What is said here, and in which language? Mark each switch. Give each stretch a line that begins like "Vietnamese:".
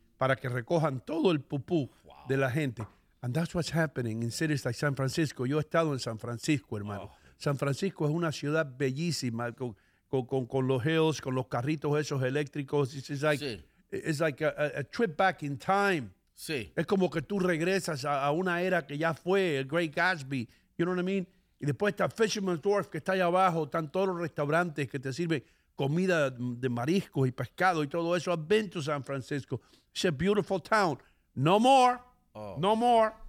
Spanish: para que recojan todo el pupú de la gente?
English: And that's what's happening in cities like San Francisco.
Spanish: Yo he estado en San Francisco, hermano. Oh. San Francisco es una ciudad bellísima, con los hills, con los carritos esos eléctricos.
English: It's like, it's like a trip back in time.
Spanish: Sí. Es como que tú regresas a una era que ya fue, el Great Gatsby.
English: You know what I mean?
Spanish: Y después está Fisherman's Wharf, que está allá abajo. Están todos los restaurantes que te sirven comida de mariscos y pescado y todo eso.
English: I've been to San Francisco. It's a beautiful town. No more. No more.